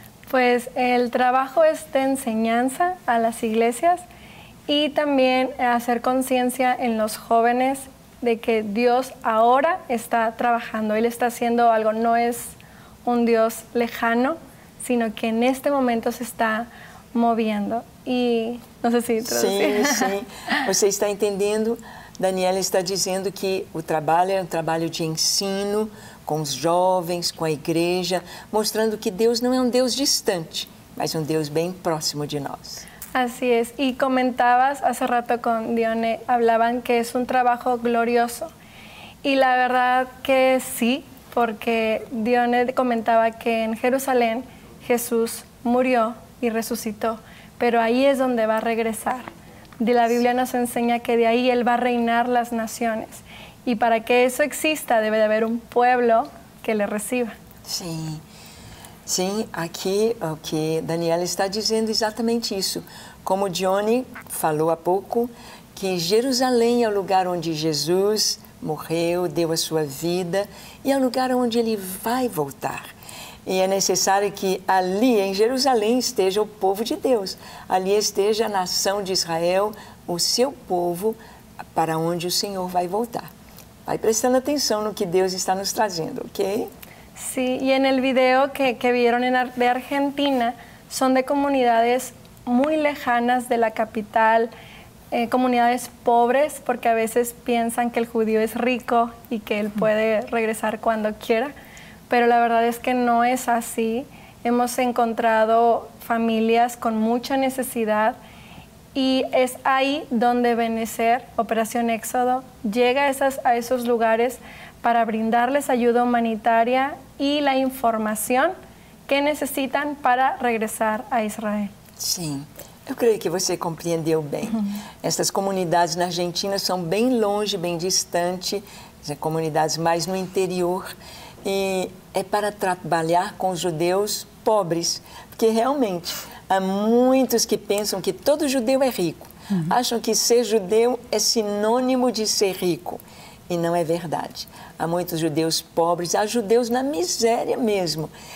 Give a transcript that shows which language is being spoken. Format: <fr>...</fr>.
<es>Pues el trabajo es de enseñanza a las iglesias y también hacer conciencia en los jóvenes de que Dios ahora está trabajando. Él está haciendo algo. No es un Dios lejano, sino que en este momento se está moviendo. Y no sé si traducir. Sí, sí. ¿Usted está entendiendo?</es> <pt>Daniela está dizendo que o trabalho é um trabalho de ensino com os jovens, com a igreja, mostrando que Deus não é um Deus distante, mas um Deus bem próximo de nós. Assim é. E</pt> <es>comentabas hace rato</es> <pt>com Dione, falavam que é um trabalho glorioso. E a verdade é que sim, porque Dione comentava que em Jerusalém Jesus morreu e ressuscitou, mas aí é onde vai regressar.</pt> <es>De la Biblia nos enseña que de ahí Él va a reinar las naciones. Y para que eso exista, debe de haber un pueblo que le reciba. Sí, sí, aquí okay. Daniela está diciendo exactamente eso.</es> <pt>Como Johnny falou há pouco, que Jerusalém é o lugar onde Jesus morreu, deu a sua vida, e é o lugar onde Ele vai voltar. E é necessário que ali, em Jerusalém, esteja o povo de Deus. Ali esteja a nação de Israel, o seu povo, para onde o Senhor vai voltar. Vai prestando atenção no que Deus está nos trazendo, ok? Sim, sí, e no vídeo que viram de Argentina, são de comunidades muito lejanas da capital, comunidades pobres, porque a vezes pensam que o judío é rico e que ele pode regressar quando quiera.</pt> <es>Pero la verdad es que no es así. Hemos encontrado familias con mucha necesidad y es ahí donde Benecer, Operación Éxodo, llega a esos lugares para brindarles ayuda humanitaria y la información que necesitan para regresar a Israel. Sí, yo creo que usted comprendió bien. Estas comunidades en Argentina son bien longe, bien distante, son comunidades más no interior.</es> <pt>E é para trabalhar com os judeus pobres, porque realmente há muitos que pensam que todo judeu é rico, acham que ser judeu é sinônimo de ser rico, e não é verdade. Há muitos judeus pobres, há judeus na miséria mesmo.</pt>